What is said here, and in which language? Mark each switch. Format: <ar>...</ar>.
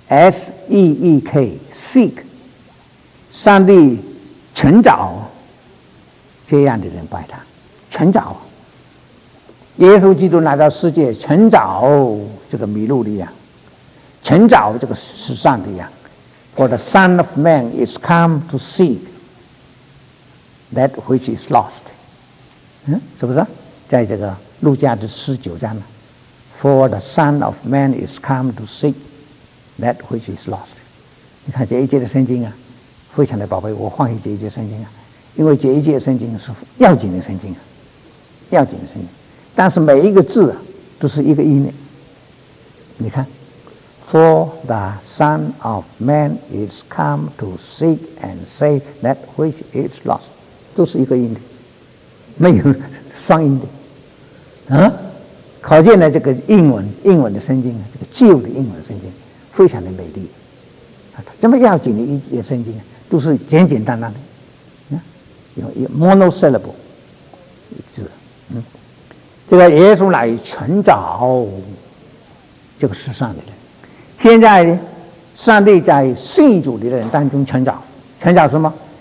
<zh>S-E-E-K seek 上帝寻找这样的人拜他，寻找耶稣基督来到世界，寻找这个迷路的羊，寻找这个失散的羊。</zh> <en>For the Son of Man is come to seek that which is lost，</en> <zh>是不是在这个路加的19章呢？</zh> <en>For the Son of Man is come to seekThat which is lost，</en> <zh>你看这一节的圣经啊，非常的宝贝。我放弃这一节圣经啊，因为这一节圣经是要紧的圣经啊，要紧的圣经。但是每一个字啊，都是一个音。你看</zh> <en>，For the Son of Man is come to seek and save that which is lost，</en> <zh>都是一个音的，没有双音的。可见呢，这个英文的圣经啊，这个旧的英文圣经。非常的美丽，这么要紧的一节圣经都是简简单单的，有 monosyllable 字。这个耶稣来寻找这个世上的人，现在上帝在信主的人当中寻找，寻找什么？</zh>